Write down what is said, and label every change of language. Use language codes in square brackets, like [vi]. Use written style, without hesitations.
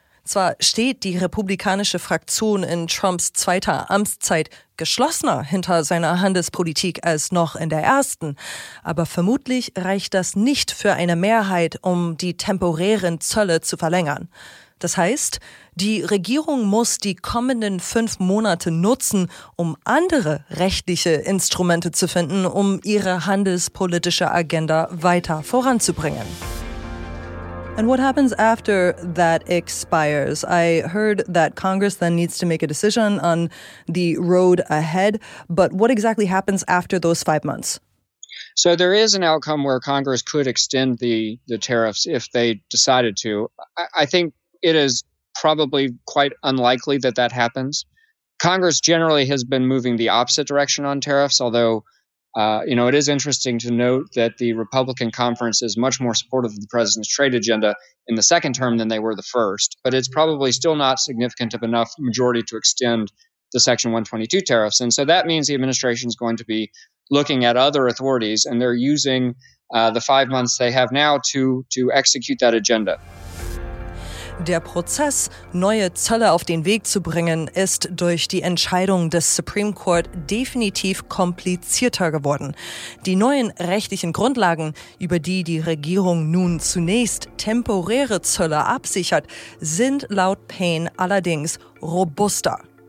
[de] Zwar steht die republikanische Fraktion in Trumps zweiter Amtszeit geschlossener hinter seiner Handelspolitik als noch in der ersten, aber vermutlich reicht das nicht für eine Mehrheit, um die temporären Zölle zu verlängern. Das heißt, die Regierung muss die kommenden 5 Monate nutzen, um andere rechtliche Instrumente zu finden, um ihre handelspolitische Agenda weiter voranzubringen. [en] And what happens after that expires? I heard that Congress then needs to make a decision on the road ahead, but what exactly happens after those 5 months? So there is an outcome where Congress could extend the tariffs if they decided to. I think it is probably quite unlikely that that happens. Congress generally has been moving the opposite direction on tariffs, although it is interesting to note that the Republican conference is much more supportive of the president's trade agenda in the second term than they were the first. But it's probably still not significant of enough majority to extend the Section 122 tariffs. And so that means the administration is going to be looking at other authorities, and they're using the 5 months they have now to execute that agenda. [de] Der Prozess, neue Zölle auf den Weg zu bringen, ist durch die Entscheidung des Supreme Court definitiv komplizierter geworden. Die neuen rechtlichen Grundlagen, über die die Regierung nun zunächst temporäre Zölle absichert, sind laut Payne allerdings robuster.